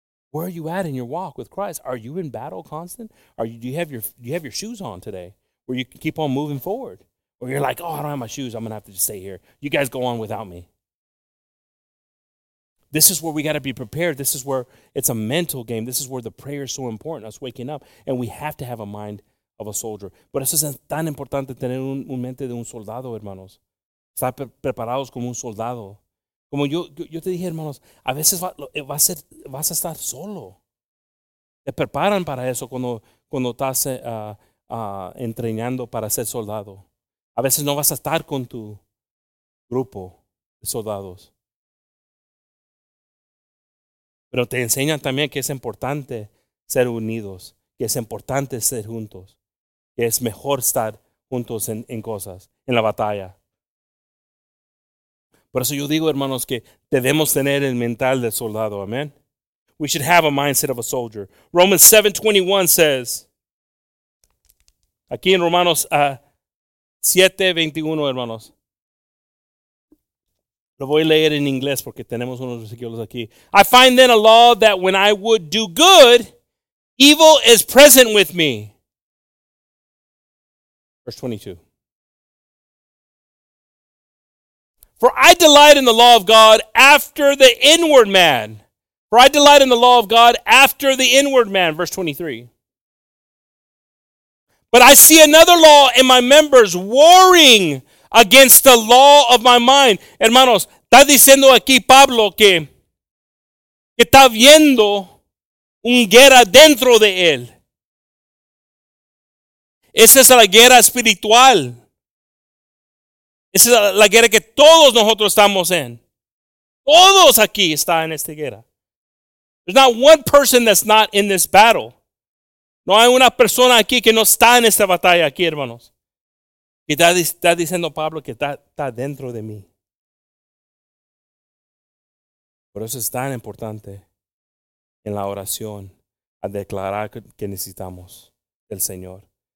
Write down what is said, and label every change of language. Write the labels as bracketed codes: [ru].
[en] Where are you at in your walk with Christ? Are you in battle constant? Do you have your shoes on today where you can keep on moving forward? Or you're like, oh, I don't have my shoes. I'm going to have to just stay here. You guys go on without me. This is where we got to be prepared. This is where it's a mental game. This is where the prayer is so important, us waking up. And we have to have a mind of a soldier. [es] Por eso es tan importante tener un mente de un soldado, hermanos. Estar preparados como un soldado. Como yo te dije, hermanos, a veces vas a estar solo. Te preparan para eso cuando estás entrenando para ser soldado. A veces no vas a estar con tu grupo de soldados. Pero te enseñan también que es importante ser unidos, que es importante ser juntos, que es mejor estar juntos en cosas, en la batalla. Por eso yo digo, hermanos, que debemos tener el mental del soldado. Amen. [en] We should have a mindset of a soldier. Romans 7:21 says, [es] aquí en Romanos 7:21, hermanos. Lo voy a leer en inglés porque tenemos unos versículos aquí. [en] I find then a law that when I would do good, evil is present with me. Verse 22. For I delight in the law of God after the inward man. For I delight in the law of God after the inward man. Verse 23. But I see another law in my members warring against the law of my mind. [es] Hermanos, está diciendo aquí Pablo que está viendo una guerra dentro de él. Esa es la guerra espiritual. Esa es la guerra que todos nosotros estamos en. Todos aquí están en esta guerra. [en] There's not one person that's not in this battle. [es] No hay una persona aquí que no está en esta batalla aquí, hermanos. Y está diciendo Pablo que está dentro de mí. Por eso es tan importante en la oración a declarar que necesitamos del Señor.